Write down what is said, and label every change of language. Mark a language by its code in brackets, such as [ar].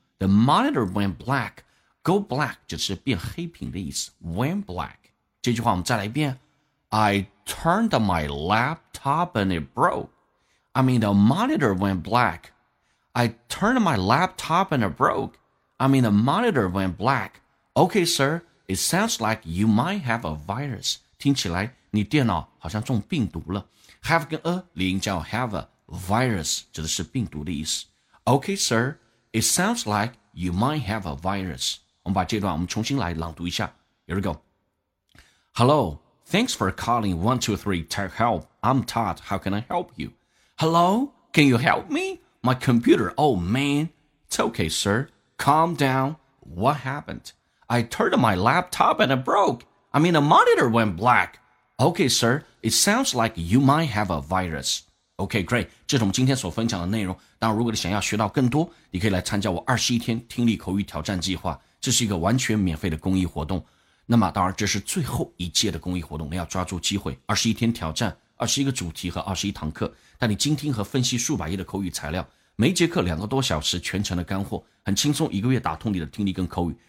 [en] The monitor went black. Go black [zh] 就是变黑屏的意思。 [en] Went black. [zh] 这句话我们再来一遍。 [en] I turned on my laptop and it broke. I mean, the monitor went black. I turned on my laptop and it broke. I mean, the monitor went black. Okay, sir. It sounds like you might have a virus. [zh] 听起来你电脑好像中病毒了。 [en] Have [zh] 跟 [en] a [zh] 连音叫 [en] have a virus [zh] 指的是病毒的意思。 [en] Okay, sir. It sounds like you might have a virus. [zh] 我们把这段我们重新来朗读一下。 [en] Here we go. Hello, thanks for calling 123 Tech Help. I'm Todd, how can I help you? Hello, can you help me? My computer, oh man. It's okay, sir. Calm down. What happened? I turned my laptop and it broke. I mean, the monitor went black. Okay, sir, it sounds like you might have a virus. OK, great, [zh] 这是我们今天所分享的内容。当然如果你想要学到更多，你可以来参加我21天听力口语挑战计划，这是一个完全免费的公益活动。那么当然这是最后一届的公益活动，你要抓住机会。 21天挑战，21个主题和21堂课，带你精听和分析数百页的口语材料，每一节课两个多小时全程的干货，很轻松一个月打通你的听力跟口语。